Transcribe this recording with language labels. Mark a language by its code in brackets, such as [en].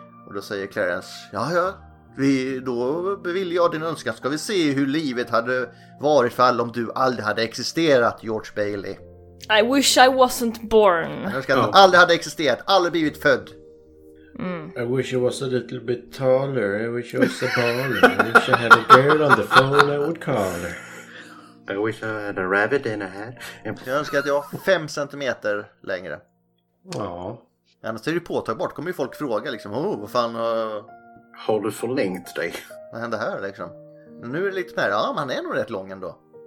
[sv] Och då säger Clarence, ja, då vill jag din önskan. Ska vi se hur livet hade varit för alla om du aldrig hade existerat, George Bailey. [en] I wish I wasn't born. [sv] Aldrig hade existerat, aldrig blivit född. Mm. [en] I wish I was a little bit taller. I wish I was a baller. I wish I had a girl on the phone I would call her. I wish I had a rabbit in a hat. [sv] Jag önskar att jag var 5 centimeter längre. Ja. Annars är det påtagbart. Kommer ju folk fråga liksom, oh, vad fan har du förlängt dig? Vad händer här liksom? Men nu är det lite mer, ja, men han är nog rätt lång ändå.